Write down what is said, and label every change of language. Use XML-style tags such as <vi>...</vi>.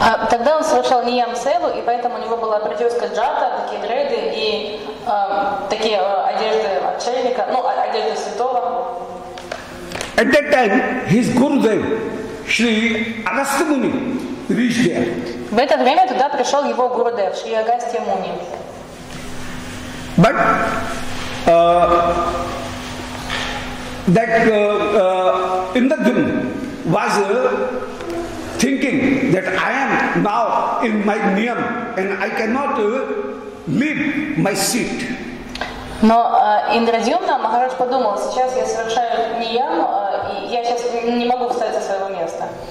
<ru>Тогда он совершал Ниям Севу, и поэтому у него была прическа джата, такие дреды и такие одежды отшельника, ну, одежды святого.</ru> <en>At that time, his Gurudev, Shri Agastya Muni, reached there.</en> <ru>В это время туда пришел его Гурудев, Шри Агастья Муни.</ru> <en>But that Indradyum was thinking that I am now in my niyam and I cannot leave my seat.</en> <ru>Но Индрадьюмна Махарадж подумал, сейчас я совершаю ниям, я сейчас не могу встать со своего места.</ru>